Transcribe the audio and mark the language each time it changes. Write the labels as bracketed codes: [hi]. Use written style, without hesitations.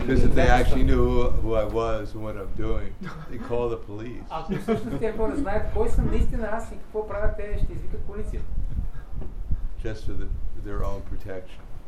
[en] Because if they actually knew who I was and what I'm doing, they call the police. [bg] Ако всъщност тези хора знаят кой съм наистина аз и какво правят, те ще извикат полиция. [en] Just for their own protection.